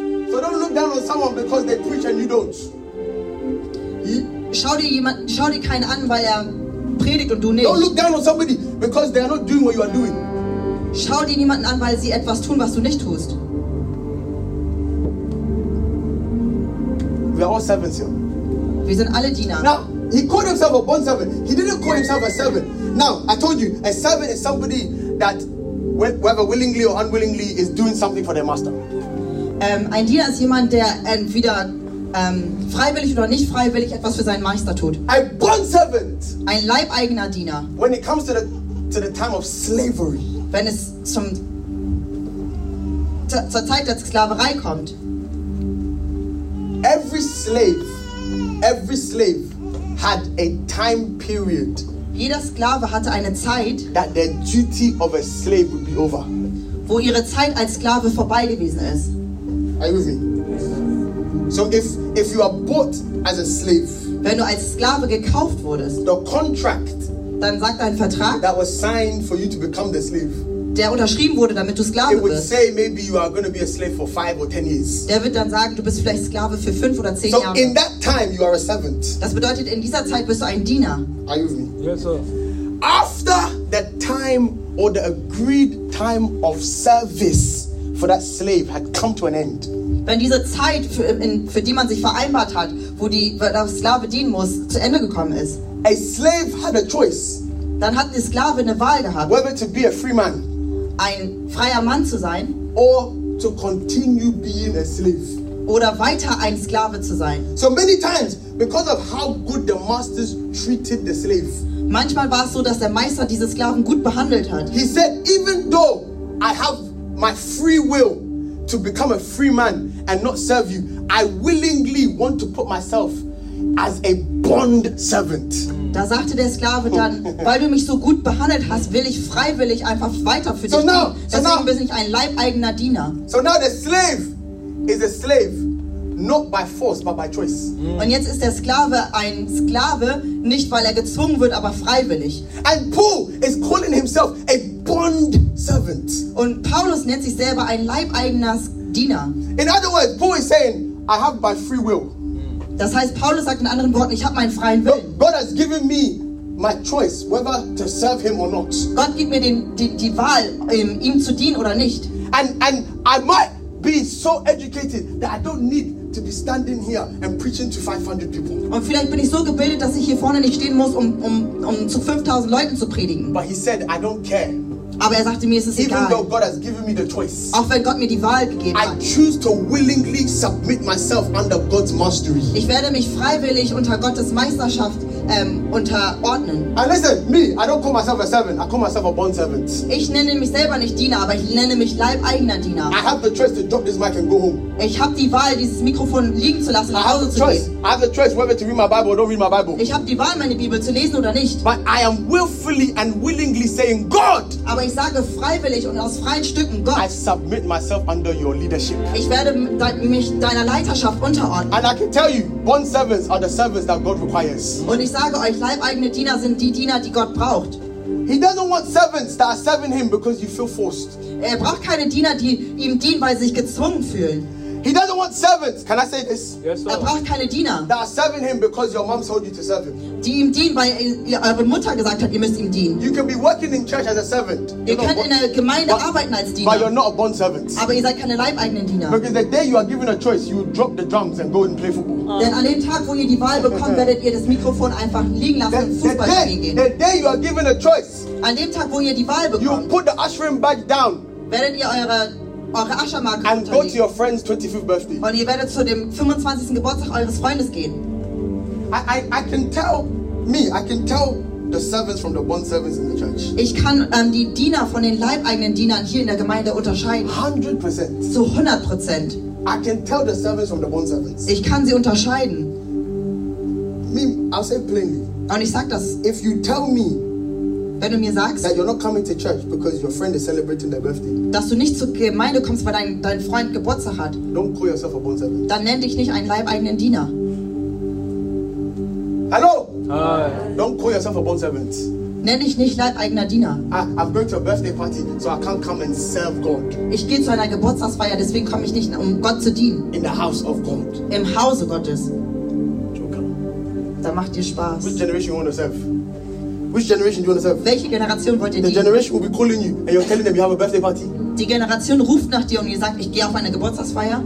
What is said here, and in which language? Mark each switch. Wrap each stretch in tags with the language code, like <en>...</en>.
<en>So don't look down on someone because they preach and you don't.</en> <de>Schau dir keinen an, weil predigt und du nicht.</de> <en>Don't look down on somebody because they are not doing what you are doing.</en> <de>Schau dir niemanden an, weil sie etwas tun, was du nicht tust.</de> <en>We are all servants here.</en> <de>Wir sind alle Diener.</de> <en>Now, he called himself a bond servant. He didn't call himself a servant. Now, I told you, a servant is somebody that, whether willingly or unwillingly, is doing something for their master.</en> <de>Ein Diener ist jemand, der entweder freiwillig oder nicht freiwillig etwas für seinen Meister tut.</de> <en>A bond servant.</en> <de>Ein leibeigener Diener.</de> <en>When it comes to the time of slavery.</en> <de>Wenn es zur Zeit der Sklaverei kommt.</de> <en>Every slave had a time period.</en> <de>Jeder Sklave hatte eine Zeit,</de> <en>that the duty of a slave would be over.</en> <de>Wo ihre Zeit als Sklave vorbei gewesen ist.</de> <en>Are you with me? So if you are bought as a slave,</en> <de>wenn du als Sklave gekauft wurdest,</de> <en>the contract,</en> <de>dann sagt dein Vertrag,</de> <en>that was signed for you to become the slave,</en> <de>der unterschrieben wurde, damit du Sklave bist.</de> <en>It would</en> <de>bist.</de> <en>Say maybe you are going to be a slave for 5 or 10 years.</en> <de>Der wird dann sagen, du bist vielleicht Sklave für 5 oder 10</de> <en>so</en> <de>Jahre.</de> <en>So in that time you are a servant.</en> <de>Das bedeutet, in dieser Zeit bist du ein Diener.</de> <en>Are you with me? Yes, sir. After the time or the agreed time of service for that slave had come to an end.</en> <de>Wenn diese Zeit, für die man sich vereinbart hat, wo der Sklave dienen muss, zu Ende gekommen ist.</de> <en>A slave had a choice.</en> <de>Dann hat der Sklave eine Wahl gehabt.</de> <en>Whether to be a free man.</en> <de>Ein freier Mann zu sein.</de> <en>Or to continue being a slave.</en> <de>Oder weiter ein Sklave zu sein.</de> <en>So many times, because of how good the masters treated the slave.</en> <de>Manchmal war es so, dass der Meister diese Sklaven gut behandelt hat.</de> <en>He said, even though I have my free will to become a free man and not serve you, I willingly want to put myself as a bond servant.</en> <de>Da sagte der Sklave dann, weil du mich so gut behandelt hast, will ich freiwillig einfach weiter für dich gehen. Deswegen bin ich ein leibeigener Diener.</de> <en>So now the slave is a slave, not by force, but by choice.</en> <de>Und jetzt ist der Sklave ein Sklave, nicht weil gezwungen wird, aber freiwillig.</de> <en>And Paul is calling himself a bond servant.</en> <de>Und Paulus nennt sich selber ein leibeigener Diener.</de> <en>In other words, Paul is saying, I have my free will.</en> <de>Das heißt, Paulus sagt in anderen Worten, ich habe meinen freien Willen.</de> <en>God has given me my choice, whether to serve him or not.</en> <de>Gott gibt mir die Wahl, ihm zu dienen oder nicht.</de> <en>And I might be so educated that I don't need to be standing here and preaching to 500 people.</en> <de>Und vielleicht bin ich so gebildet, dass ich hier vorne nicht stehen muss, um zu 5000 Leuten zu predigen.</de> <en>But he said, I don't care.</en> <de>Aber er sagte mir, es ist</de> <en>Even</en> <de>egal.</de> <en>Though God has given me the choice,</en> <de>auch wenn Gott mir die Wahl gegeben hat.</de> <en>I choose to willingly submit myself under God's mastery.</en> <de>Ich werde mich freiwillig unter Gottes Meisterschaft unterordnen.</de> <en>And listen, me, I don't call myself a servant. I call myself a bond servant.</en> <de>Ich nenne mich selber nicht Diener, aber ich nenne mich leibeigener Diener.</de> <en>I have the choice to drop this mic and go home.</en> <de>Ich habe die Wahl, dieses Mikrofon liegen zu lassen und nach Hause zu gehen.</de> <en>I have the choice whether to read my Bible or don't read my Bible.</en> <de>Ich habe die Wahl, meine Bibel zu lesen oder nicht.</de> <en>But I am willfully and willingly saying, God.</en> <de>Aber ich sage freiwillig und aus freien Stücken, Gott.</de> <en>I submit myself under your leadership.</en> <de>Ich werde mich deiner Leiterschaft unterordnen.</de> <en>And I can tell you, bond servants are the servants that God requires.</en> <de>Und ich sage euch, leibeigene Diener sind die Diener, die Gott braucht.</de> <en>He doesn't want servants that are serving him because you feel forced.</en> <de>Er braucht keine Diener, die ihm dienen, weil sie sich gezwungen fühlen.</de> <en>He doesn't want servants. Can I say this? Yes, sir.</en> <de>Er braucht keine Diener.</de> <en>That are serving him because your mom told you to serve him.</en> <de>Die ihm dienen, weil eure Mutter gesagt hat, ihr müsst ihm dienen.</de> <en>You can be working in church as a servant.</en> <de>Ihr könnt in der Gemeinde arbeiten als Diener.</de> <en>But you're not a bond servant.</en> <de>Aber ihr seid keine leibeigenen Diener.</de> <en>Because the day you are given a choice, you drop the drums and go and play football.</en> <de>Denn an dem Tag, wo ihr die Wahl bekommt, werdet ihr das Mikrofon einfach liegen lassen und Fußball spielen gehen.</de> <en>The day you are given a choice.</en> <de>An dem Tag, wo ihr die Wahl bekommt.</de> <en>You put the ushering badge down.</en> <de>Werdet ihr eure Aschermarke</de> <en>and go to your friend's 25th birthday.</en> <de>Und ihr werdet zu dem 25. Geburtstag eures Freundes gehen.</de> <en>I can tell the servants from the bond servants in the church.</en> <de>Ich kann die Diener von den leibeigenen Dienern hier in der Gemeinde unterscheiden.</de> <en>100%.</en> <de>Zu 100%.</de> <en>I can tell the servants from the bond servants.</en> <de>Ich kann sie unterscheiden.</de> <en>I'll say plainly.</en> <de>Und ich sag das.</de> <en>If you tell me</en> <de>Wenn du mir sagst,</de> <en>that you're not coming to church because your friend is celebrating their birthday,</en> <de>dass du nicht zur Gemeinde kommst, weil dein Freund Geburtstag hat,</de> <en>don't call yourself a bond servant.</en> <de>Dann nenn dich nicht einen leibeigenen Diener. Hallo?</de> <en>Hi. Don't call yourself a bond servant.</en> <de>Nenn dich nicht leibeigener Diener.</de> <en>I'm going to a birthday party, so I can't come and serve God.</en> <de>Ich gehe zu einer Geburtstagsfeier, deswegen komme ich nicht, um Gott zu dienen.</de> <en>In the house of God.</en> <de>Im Hause Gottes.</de> <en>Joker.</en> <de>Da macht dir Spaß.</de> <en>Which generation you want to serve? Which generation do you want to serve?</en> <de>Welche Generation wollt ihr dienen?</de> <en>The generation will be calling you and you're telling them you have a birthday party.</en> <de>Die Generation ruft nach dir und ihr sagt, ich gehe auf eine Geburtstagsfeier.</de>